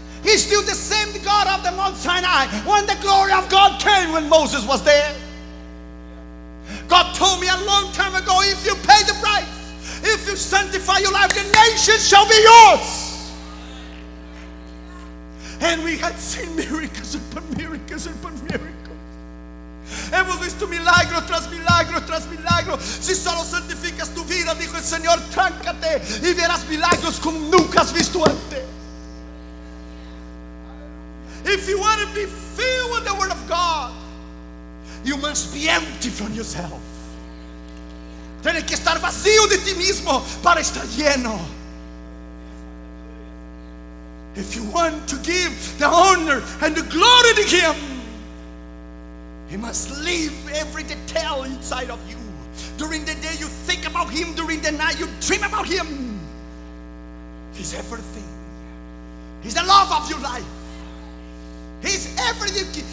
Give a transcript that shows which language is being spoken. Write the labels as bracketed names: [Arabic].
[English] He's still the same God of the Mount Sinai. When the glory of God came, when Moses was there, God told me a long time ago, if you pay the price, if you sanctify your life, the nations shall be yours. And we had seen miracles upon miracles upon miracles. [Spanish] Hemos visto milagro tras milagro tras milagro. Si solo santificas tu vida, dijo el Señor, tráncate y verás milagros como nunca has visto antes. [English] If you want to be filled with the word of God, you must be empty from yourself. [Spanish] Tienes que estar vacío de ti mismo para estar lleno. [English] If you want to give the honor and the glory to Him, He must leave every detail inside of you. During the day you think about Him, during the night you dream about Him. He's everything. He's the love of your life. He's everything.